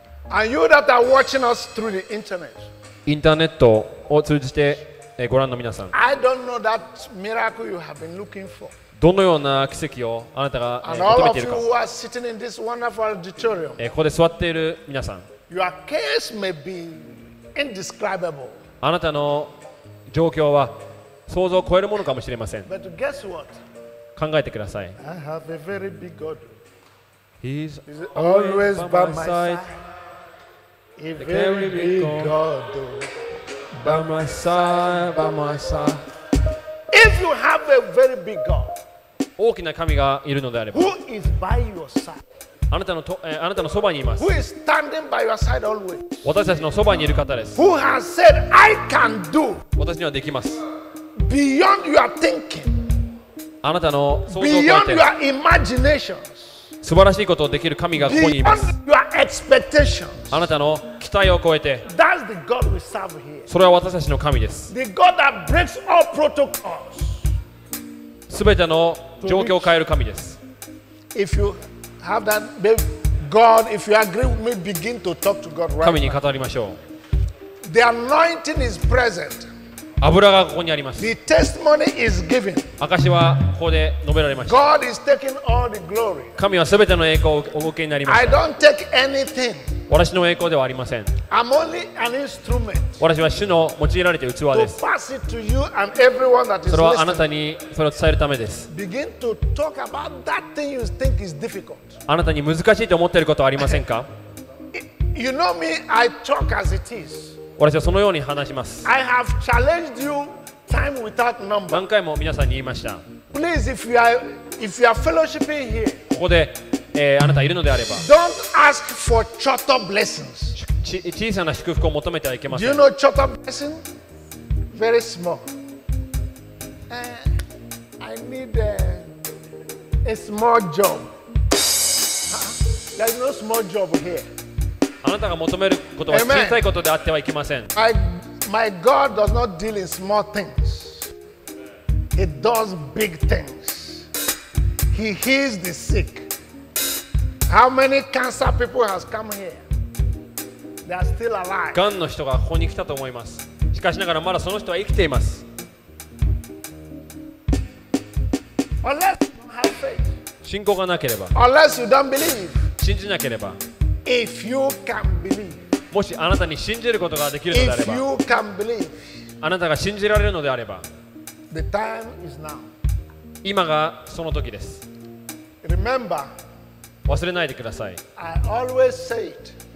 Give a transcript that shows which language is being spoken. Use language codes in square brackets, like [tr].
[en] And you that are watching us through the internet, [ja] インターネットを通じてご覧の皆さん、 [en] I don't know that miracle you have been looking for. [ja] どのような奇跡をあなたが求めているか。 [en] And all of you who are sitting in this wonderful auditorium, [ja] ここで座っている皆さん、 [en] your case may be indescribable. [ja] あなたの状況は想像を超えるものかもしれません。 [en] But guess what? [ja] 考えてください。 [en] I have a very big God. He's always by my side. A very big God, by my side, by my side. If you have a very big God, [ja] 大きな神がいるのであれば、 [en] who is by your side? [ja] あなたのそばにいます。 [en] Who is standing by your side always? [ja] 私たちのそばにいる方です。 [en] Who has said I can do? [ja] 私にはできます。 [en] Beyond your thinking, [ja] あなたの想像を超えて、 [en] beyond your imagination. [ja] 素晴らしいことをできる神がここにいます。 [en] your expectations, [ja] あなたの期待を超えて、 [en] that's the God we serve here. [ja] それは私たちの神です。 [en] the God that breaks all protocols, [ja] 全ての状況を変える神です。 [en] if you have that, baby, God, if you agree with me, begin to talk to God right now. [ja] 神に語りましょう。 [en] the anointing is present. [ja] 油がここにあります。 [en] the testimony is given. [ja] 証はここで述べられました。 [en] God is taking all the glory. [ja] 神はすべての栄光をお受けになりました。 [en] I don't take anything. [ja] 私の栄光ではありません。 [en] I'm only an instrument. [ja] 私は主の用いられている器です。 [en] To pass it to you and everyone that is listening. [ja] それはあなたにそれを伝えるためです。 [en] Begin to talk about that thing you think is difficult. [ja] あなたに難しいと思っていることはありませんか。 [en] You know me, I talk as it is. [ja] 私はそのように話します。 [en] I have challenged you. Time without number. [ja] 何回も皆さんに言いました。 [en] Please, if you are fellowshipping here, [ja] ここで、あなたがいるのであれば、 [en] Don't ask for chotto blessings. [ja] 小さな祝福を求めてはいけません。 [en] Do you know chotto blessing? Very small. I need a small job. There's no small job here. [ja] あなたが求めることは小さいことであってはいけません。 [en] My God does not deal in small things. He does big things. He heals the sick. How many cancer people has come here? They are still alive. [ja] がんの人がここに来たと思います。しかしながらまだその人は生きています。 [en] Unless you don't have faith. [ja] 信仰がなければ。 [en] Unless you don't believe. [ja] 信じなければ。 [en] If you can believe. [ja] もしあなたに信じることができるのであれば、 [en] If you can believe, [ja] あなたが信じられるのであれば、 [en] the time is now. [ja] 今がその時です。 [en] Remember, [ja] 忘れないでください。 [en] I always say it,